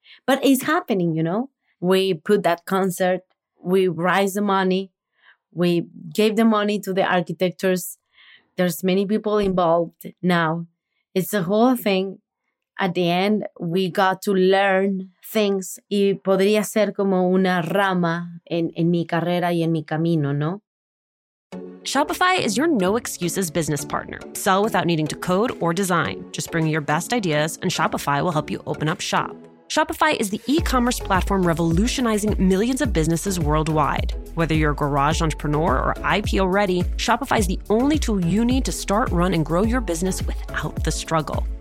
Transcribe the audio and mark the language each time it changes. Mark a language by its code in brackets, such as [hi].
[en] But it's happening, you know. We put that concert. We raise the money. We gave the money to the architects. There's many people involved now. It's a whole thing. At the end, we got to learn things. [es] Y podría ser como una rama en mi carrera y en mi camino, ¿no? [en] Shopify is your no-excuses business partner. Sell without needing to code or design. Just bring your best ideas and Shopify will help you open up shop. Shopify is the e-commerce platform revolutionizing millions of businesses worldwide. Whether you're a garage entrepreneur or IPO ready, Shopify is the only tool you need to start, run, and grow your business without the struggle.